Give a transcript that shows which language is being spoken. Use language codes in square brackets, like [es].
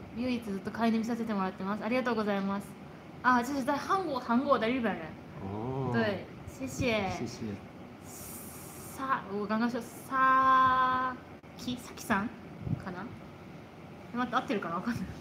[ja] 唯一ずっと買い見させてもらってます。ありがとうございます。 [zh] あ、这是在韩国、韩国的日本人。哦。对、谢谢。谢谢。 [ja] さ、 [zh] 我刚刚说 [ja] さき、さきさんかな。待って、合ってるかな、分かんない。